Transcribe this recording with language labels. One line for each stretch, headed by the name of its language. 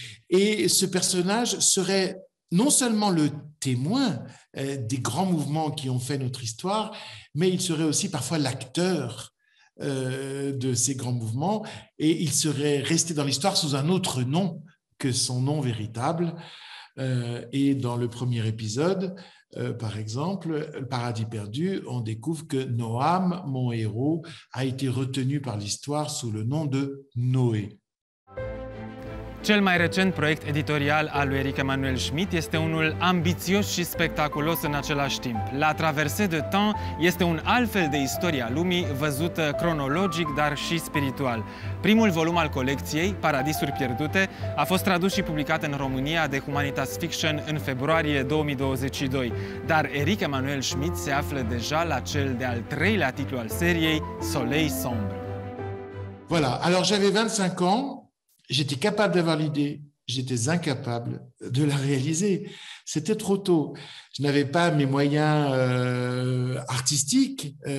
French: Et ce personnage serait non seulement le témoin des grands mouvements qui ont fait notre histoire, mais il serait aussi parfois l'acteur de ces grands mouvements et il serait resté dans l'histoire sous un autre nom que son nom véritable. Et dans le premier épisode, par exemple, Le Paradis perdu, on découvre que Noam, mon héros, a été retenu par l'histoire sous le nom de Noé.
Romanian: Cel mai recent proiect editorial al lui Éric Emmanuel Schmitt este unul ambițios și spectaculos în același timp. La Traversée de Temps este un alt fel de istorie a lumii, văzută cronologic, dar și spiritual. Primul volum al colecției, Paradisuri pierdute, a fost tradus și publicat în România de Humanitas Fiction în februarie 2022, dar Éric Emmanuel Schmitt se află deja la cel de-al treilea titlu al seriei, Soleil Sombre.
French: Voilà, alors j'avais 25 ans. J'étais capable d'avoir l'idée, j'étais incapable de la réaliser. C'était trop tôt. Je n'avais pas mes moyens artistiques.